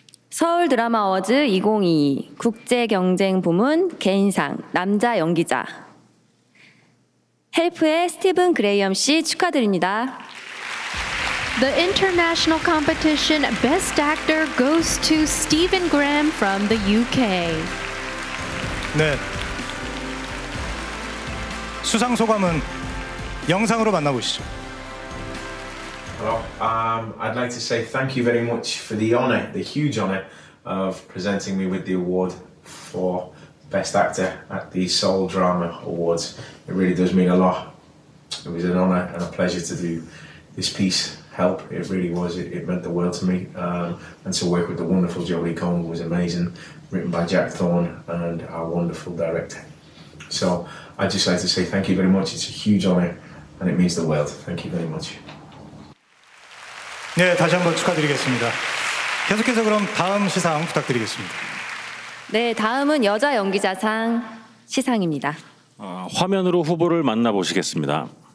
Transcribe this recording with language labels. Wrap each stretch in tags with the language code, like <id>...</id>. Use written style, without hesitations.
<ko>서울 드라마 어워즈 2022 국제 경쟁 부문 개인상 남자 연기자 헬프의 스티븐 그레이엄 씨 축하드립니다.</ko> <en>The International Competition Best Actor goes to Stephen Graham from the UK.</en> <ko>네. 수상 소감은 영상으로 만나보시죠.</ko> <en>Hello. I'd like to say thank you very much for the honor, the huge honor of presenting me with the award for Best Actor at the Seoul Drama Awards. It really does mean a lot. It was an honor and a pleasure to do this piece. Help, it really was, it meant the world to me. And to work with the wonderful Jodie Comer was amazing, written by Jack Thorne and our wonderful director. So I'd just like to say thank you very much. It's a huge honor and it means the world. Thank you very much.</en> <ko>네, 다시 한번 축하드리겠습니다. 계속해서 그럼 다음 시상 부탁드리겠습니다. 네, 다음은 여자 연기자상 시상입니다. 화면으로 후보를 만나보시겠습니다.</ko>